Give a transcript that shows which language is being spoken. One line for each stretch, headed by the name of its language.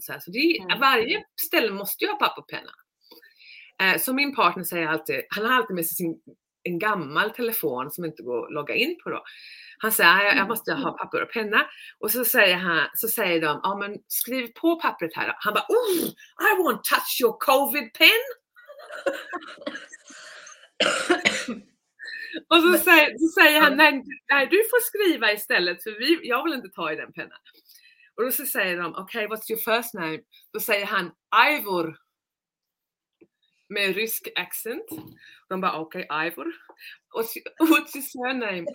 Swedish: Så det är, varje ställe måste ju ha papper och penna. Så min partner säger alltid, han har alltid med sig en gammal telefon som inte går att logga in på då. Han säger, jag måste ha papper och penna. Och så säger de, ja men skriv på pappret här då. Han bara,
English: oh, I won't touch your covid pen.
Swedish: Och så säger han, nej du får skriva istället. För jag vill inte ta i den penna. Och så säger de,
English: okay, what's your first name?
Swedish: Då säger han, Ivor. Med rysk accent. De bara,
English: okay,
Swedish: Ivor. Och
English: what's your surname?